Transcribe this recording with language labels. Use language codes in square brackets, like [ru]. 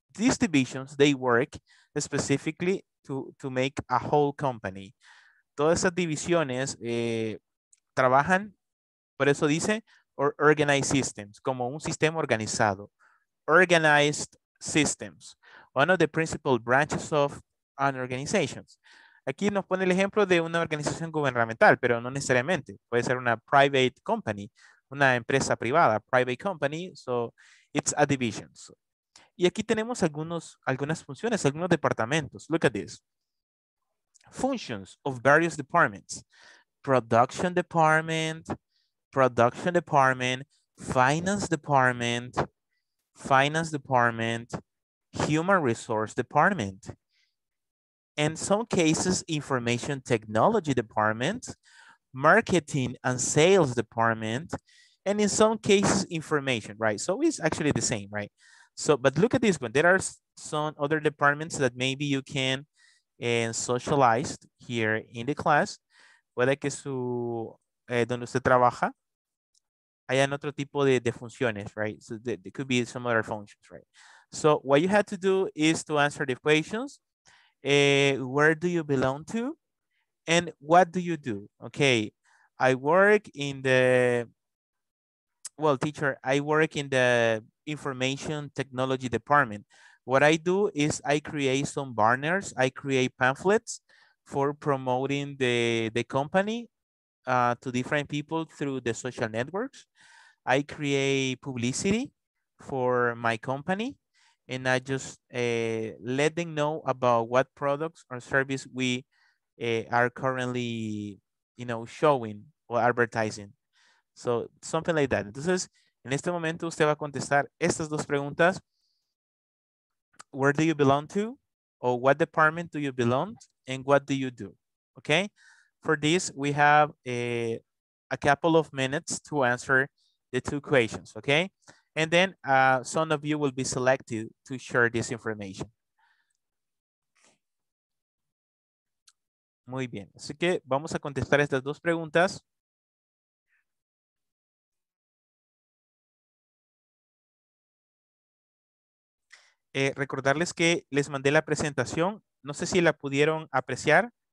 [en] These divisions, they work specifically to make a whole company. [es] Todas esas divisiones trabajan, por eso dice, [en] or organized systems, [es] como un sistema organizado. [en] Organized systems. One of the principal branches of an organization. [es] Aquí nos pone el ejemplo de una organización gubernamental, pero no necesariamente. Puede ser una [en] private company, [es] una empresa privada, private company. [en] So it's a division. So, [es] y aquí tenemos algunas funciones, algunos departamentos. [en] Look at this. Functions of various departments. Production department, finance department, human resource department. In some cases, information technology department, marketing and sales department, and in some cases, information, right? So it's actually the same, right? So, but look at this one. There are some other departments that maybe you can socialize here in the class. [es] Puede que su, donde usted trabaja, hayan otro tipo de funciones, right? [en] So there could be some other functions, right? So what you have to do is to answer the questions. Where do you belong to? And what do you do? Okay, I work in the, well, teacher, I work in the information technology department. What I do is I create some banners. I create pamphlets for promoting the company to different people through the social networks. I create publicity for my company. And I just let them know about what products or service we are currently, you know, showing or advertising. So something like that. [es] Entonces, en este momento usted va a contestar estas dos preguntas. [en] Where do you belong to? Or what department do you belong to? And what do you do? Okay. For this, we have a couple of minutes to answer the two questions. Okay. And then some of you will be selected to share this information. [es] Muy bien. Así que vamos a contestar estas dos preguntas. Recordarles que les mandé la presentación. No sé si la pudieron apreciar.